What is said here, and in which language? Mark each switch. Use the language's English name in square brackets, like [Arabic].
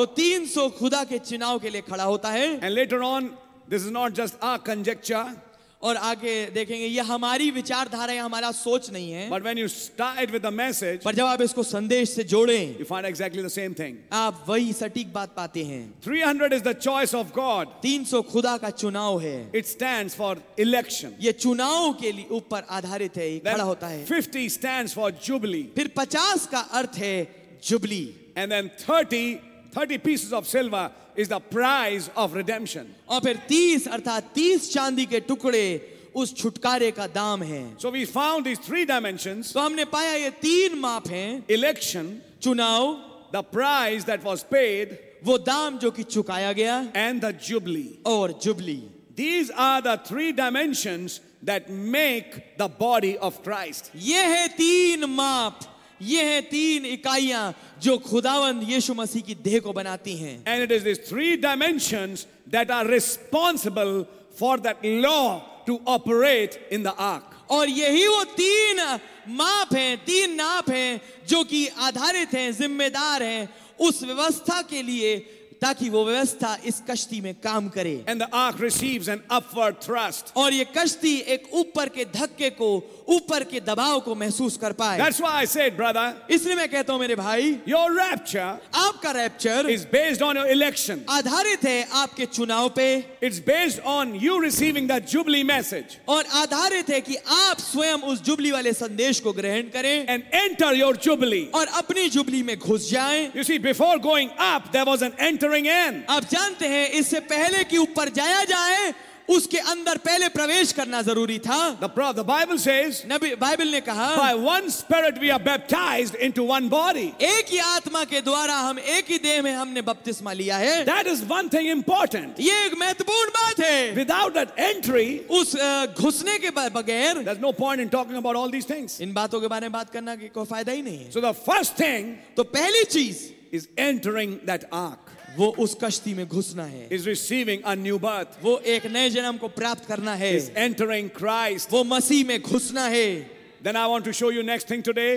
[Hindi] तो 300 खुदा के चुनाव के लिए खड़ा होता है [English] and later on this is not just our conjecture [Hindi] और आगे देखेंगे ये हमारी विचारधारा है हमारा सोच नहीं है [English] but when you start with the message [Hindi] पर जब आप इसको संदेश से जोड़ें [English] you find exactly the same thing [Hindi] आप वही सटीक बात पाते हैं [English] 300 is the choice of God [Hindi] 300 खुदा का चुनाव है [English] it stands for election [Hindi] ये चुनाव के ऊपर आधारित है खड़ा होता है [English] 50 stands for jubilee [Hindi] फिर 50 का अर्थ है jubilee [English] And then 30 pieces of silver is the prize of redemption. [Hindi] और फिर 30 अर्थात 30 चांदी के टुकड़े उस छुटकारे का दाम है. [English] So we found these three dimensions. [Hindi] तो हमने पाया ये तीन माप हैं. [English] Election, [Hindi] चुनाव, [English] the prize that was paid, [Hindi] वो दाम जो कि चुकाया गया, [English] and the jubilee, [Hindi] और jubilee. [English] These are the three dimensions that make the body of Christ. [Hindi] ये है तीन माप. ये हैं तीन इकाइयां जो खुदावंद यीशु मसीह की देह को बनाती हैं [English] and it is this three dimensions that are responsible for that law to operate in the ark [Hindi] और यही वो तीन माप हैं तीन नाप हैं जो कि आधारित हैं जिम्मेदार हैं उस व्यवस्था के लिए ताकि वो व्यवस्था इस कश्ती में काम करे [English] and the ark receives an upward thrust [Hindi] और ये कश्ती एक ऊपर के धक्के को ऊपर के दबाव को महसूस कर पाए [English] that's why I said brother [Hindi] इसलिए मैं कहता हूं मेरे भाई [English] your rapture [Hindi] आपका rapture [English] is based on your election [Hindi] आधारित है आपके चुनाव पे [English] it's based on you receiving the jubilee message [Hindi] और आधारित है कि आप स्वयं उस जुबली वाले संदेश को ग्रहण करें [English] and enter your jubilee [Hindi] और अपनी जुबली में घुस जाएं [English] you see before going up there was an entering in [Hindi] आप जानते हैं इससे पहले कि ऊपर जाया जाए उसके अंदर पहले प्रवेश करना जरूरी था [English] The Bible says, [Hindi] Nabi Bible ने कहा [English] By one spirit we are baptized into one body. [Hindi] एक ही आत्मा के द्वारा हम एक ही देह में हमने बपतिस्मा लिया है [English] That is one thing important. [Hindi] ये एक महत्वपूर्ण बात है [English] Without that entry, [Hindi] उस घुसने के बगैर [English] There's no point in talking about all these things. [Hindi] इन बातों के बारे में बात करना कोई फायदा ही नहीं है [English] So the first thing, [Hindi] तो पहली चीज [English] is entering that ark. [Hindi] वो उस कश्ती में घुसना है [English] is receiving a new birth [Hindi] वो एक नए जन्म को प्राप्त करना है [English] is entering Christ [Hindi] वो मसीह में घुसना है [English] then I want to show you next thing today